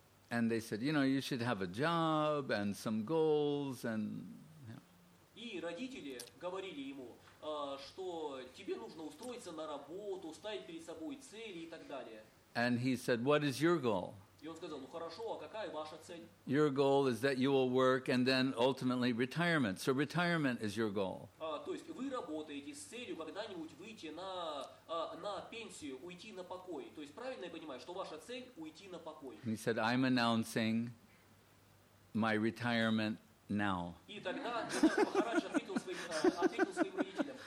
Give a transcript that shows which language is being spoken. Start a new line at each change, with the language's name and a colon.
English: And they said, you know, you should have a job and some goals and.
Russian: И родители говорили ему, что тебе нужно устроиться на работу, ставить перед собой цели и так далее.
English: And he said, what is your goal?
Russian: И он сказал, ну хорошо, а какая ваша цель?
English: Your goal is that you will work and then ultimately retirement. So retirement is your goal.
Russian: То есть вы работаете с целью когда-нибудь выйти на пенсию, уйти на покой. То есть правильно я понимаю, что ваша цель уйти на покой?
English: He said, I'm announcing my retirement now.
Russian: И тогда Махарадж ответил своим родителям.